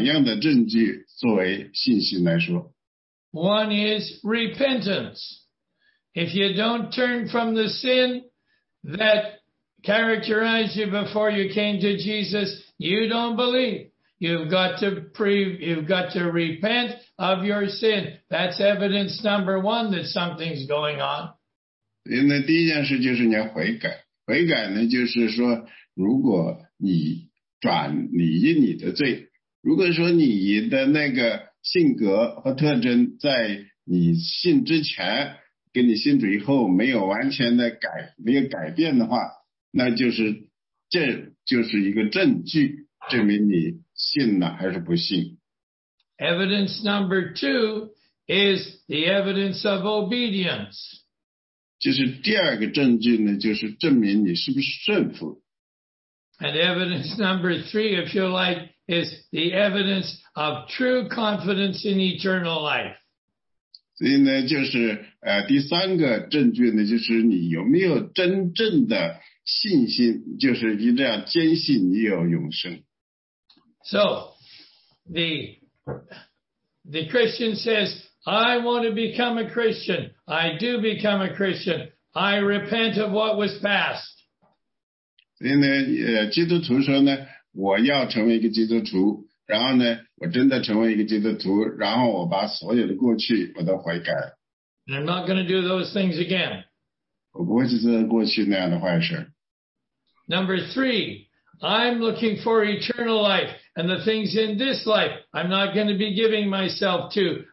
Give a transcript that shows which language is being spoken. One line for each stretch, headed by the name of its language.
Chinese: 就是两样的证据作为信心来说。
English: One is repentance. If you don't turn from the sin that characterized you before you came to Jesus, you don't believe. You've got to repent of your sin. That's evidence number one that something's going on.
Chinese: 那第一件事就是你要悔改。悔改呢，就是说，如果你转离你的罪，如果说你的那个性格和特征在你信之前跟你信主以后没有完全的改，没有改变的话，那就是这就是一个证据，证明你信了还是不信。
English: Evidence number two is the evidence of obedience.
Chinese: 就是第二个证据呢，就是证明你是不是顺服。
English: And evidence number three, if you like, is the evidence of true confidence in eternal life.
Chinese: 所以呢，就是第三个证据呢，就是你有没有真正的信心，就是你这样坚信你有永生。
English: So, the Christian says, I want to become a Christian. I do become a Christian. I repent of what was past.
Chinese: 所以呢，基督徒说呢，我要成为一个基督徒，然后呢，我真的成为一个基督徒，然后我把所有的过去我都悔改。
English: And I'm not going to do those things again.
Chinese: 我不会去做过去那样的坏事。
English: Number three, I'm looking for eternal life, and the things in this life I'm not going to be giving myself to.